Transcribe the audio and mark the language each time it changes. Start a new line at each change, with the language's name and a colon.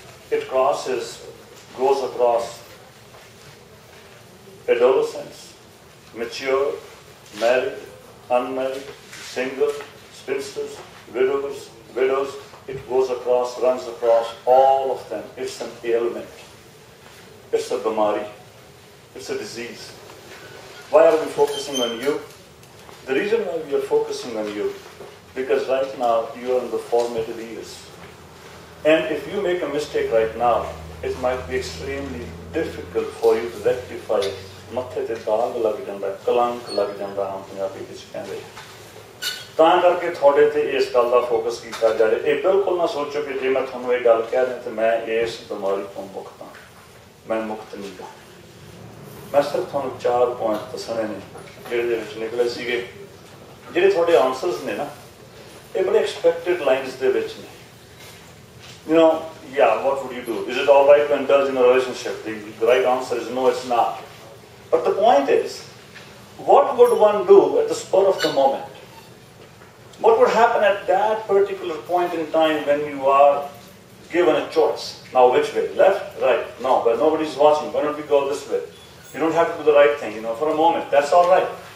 English: It goes across adolescence, mature, married, unmarried, single, spinsters, widows, it goes across, runs across all of them. It's an ailment. It's a bimari. It's a disease. Why are we focusing on you? The reason why we are focusing on you, because right now you are in the formative years. And if you make a mistake right now, it might be extremely difficult for you to rectify it.
Punjabi: ਮੱਥੇ ਤੇ ਦਾਗ ਲੱਗ ਜਾਂਦਾ, ਕਲੰਕ ਲੱਗ ਜਾਂਦਾ ਆਮ ਪੰਜਾਬੀ ਵਿੱਚ ਕਹਿੰਦੇ, ਤਾਂ ਕਰਕੇ ਤੁਹਾਡੇ ਤੇ ਇਸ ਗੱਲ ਦਾ ਫੋਕਸ ਕੀਤਾ ਜਾ ਰਿਹਾ। ਇਹ ਬਿਲਕੁਲ ਨਾ ਸੋਚੋ ਕਿ ਜੇ ਮੈਂ ਤੁਹਾਨੂੰ ਇਹ ਗੱਲ ਕਹਿ ਦਿਆਂ ਤੇ ਮੈਂ ਇਸ ਬਿਮਾਰੀ ਤੋਂ ਮੁਕਤ ਹਾਂ, ਮੈਂ ਮੁਕਤ ਨਹੀਂ ਹਾਂ। ਮੈਂ ਸਿਰਫ ਤੁਹਾਨੂੰ ਚਾਰ ਪੁਆਇੰਟ ਦੱਸਣੇ ਨੇ ਜਿਹੜੇ ਦੇ ਵਿੱਚ ਨਿਕਲੇ ਸੀਗੇ, ਜਿਹੜੇ ਤੁਹਾਡੇ ਆਨਸਰਸ ਨੇ ਨਾ, ਇਹ ਬੜੇ ਐਕਸਪੈਕਟਡ ਲਾਈਨਸ ਦੇ ਵਿੱਚ ਨੇ।
English: You know, yeah, what would you do, is it all right to indulge in a relationship, the right answer is no, it's not. But the point is, what would one do at the spur of the moment? What would happen at that particular point in time when you are given a choice? Now which way? Left? Right? No, but nobody's watching. Why don't we go this way? You don't have to do the right thing, you know, for a moment. That's all right.